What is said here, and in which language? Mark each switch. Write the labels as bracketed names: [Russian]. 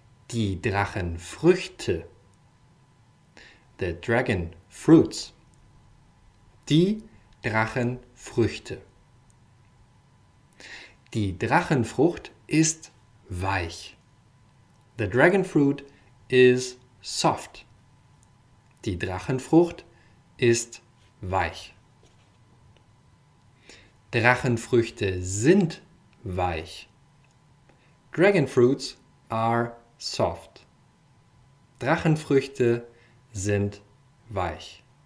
[German] Die Drachenfrüchte. [English] The dragon fruits. [German] Die Drachenfrüchte. Die Drachenfrucht ist weich. [English] The dragon fruit is soft. [German] Die Drachenfrucht ist weich. Drachenfrüchte sind weich. [English] Dragon fruits are soft. [German] Drachenfrüchte sind weich.